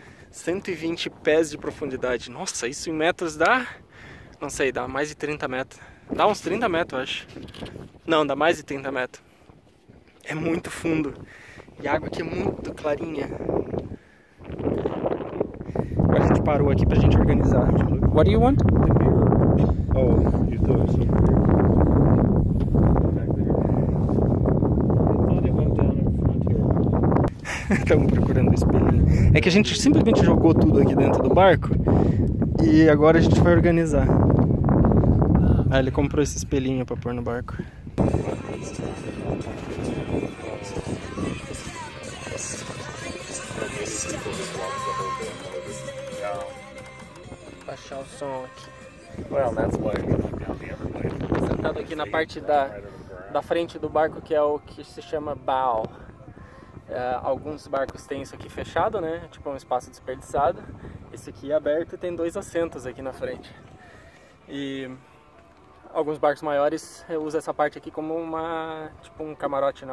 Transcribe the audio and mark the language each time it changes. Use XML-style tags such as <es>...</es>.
<pt>120 pés de profundidade. Nossa, isso em metros dá... Não sei, dá mais de 30 metros. Dá uns 30 metros, eu acho. Não, dá mais de 30 metros. É muito fundo. E a água aqui é muito clarinha. A gente parou aqui pra gente organizar.</pt> <en>What do you want? The mirror. Oh, you thought it was so weird. I thought it went down in front here.</en> <pt>Estamos procurando o espelho. É que a gente simplesmente jogou tudo aqui dentro do barco. E agora a gente vai organizar. Ah, ele comprou esse espelhinho pra pôr no barco. Baixar o som aqui.</pt> <en>Well, that's why we're down the other way.</en> <pt>Sentado aqui na parte da frente do barco, que é o que se chama bow. Alguns barcos têm isso aqui fechado, né? Tipo um espaço desperdiçado. Esse aqui é aberto e tem dois assentos aqui na frente. E alguns barcos maiores usam essa parte aqui como uma, tipo um camarote, né?</pt>